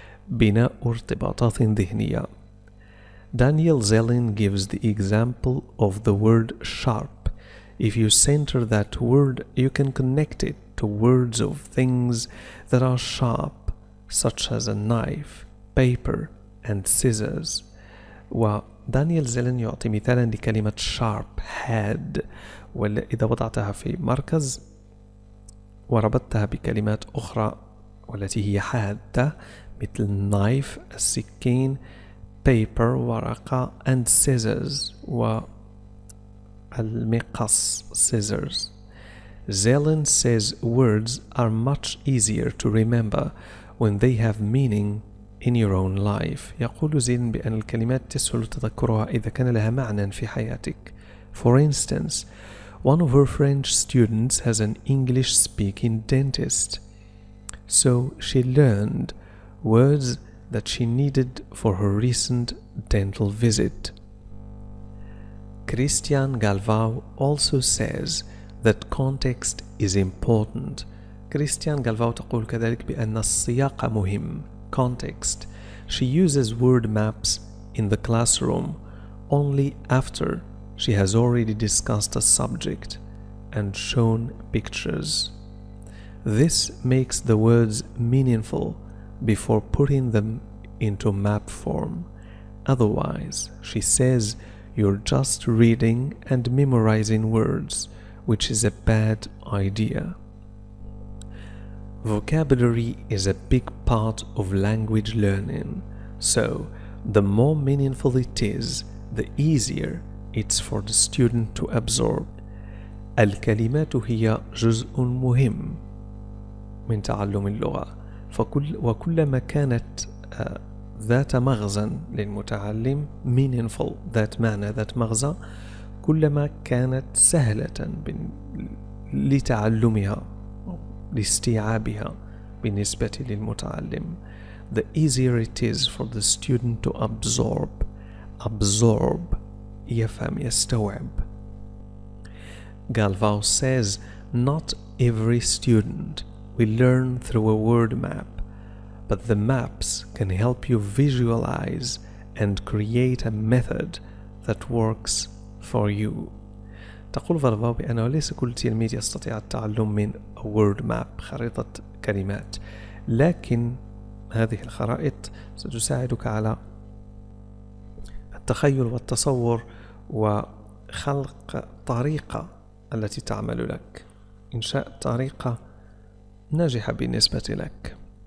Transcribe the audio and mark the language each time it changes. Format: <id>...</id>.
<ar>بناء ارتباطات ذهنية.</ar> <en>Daniel Zelin gives the example of the word sharp. If you center that word, you can connect it to words of things that are sharp, such as a knife, paper, and scissors.</en> <ar>ودانيال زيلين يعطي مثالا لكلمة</ar> <en>sharp,</en> <ar>had. وإذا وضعتها في مركز وربطتها بكلمات أخرى والتي هي حادة مثل</ar> <en>knife,</en> <ar>السكين,</ar> <en>paper,</en> <ar>ورقة,</ar> <en>and scissors,</en> <ar>والمقص,</ar> <en>scissors. Zelin says words are much easier to remember when they have meaning in your own life.</en> <ar>يقول زيلين بأن الكلمات تسهل تذكرها إذا كان لها معنى في حياتك.</ar> <en>For instance, one of her French students has an English-speaking dentist. So she learned words that she needed for her recent dental visit. Christian Galvao also says that context is important.</en> <ar>Christian Galvao تقول كذلك بأن السياق مهم.</ar> <en>Context. She uses word maps in the classroom only after she has already discussed a subject and shown pictures. This makes the words meaningful before putting them into map form. Otherwise, she says, you're just reading and memorizing words, which is a bad idea. Vocabulary is a big part of language learning. So, the more meaningful it is, the easier it's for the student to absorb.</en> <ar>الكلمات هي جزء مهم من تعلم اللغة، وكلما كانت ذات مغزى للمتعلم</ar> <en>meaningful</en> <ar>ذات معنى ذات مغزى كلما كانت سهلة لتعلمها لاستيعابها بالنسبة للمتعلم.</ar> <en>The easier it is for the student to absorb. Absorb</en> <ar>يفهم يستوعب.</ar> <en>Galvao says not every student we learn through a word map, but the maps can help you visualize and create a method that works for you.</en> <ar>تقول فالفاو بأنه ليس كل تلميذ يستطيع التعلم من</ar> <en>a word map,</en> <ar>خريطة كلمات, لكن هذه الخرائط ستساعدك على التخيل والتصور وخلق طريقة التي تعمل لك, إنشاء طريقة ناجحة بالنسبة لك.</ar>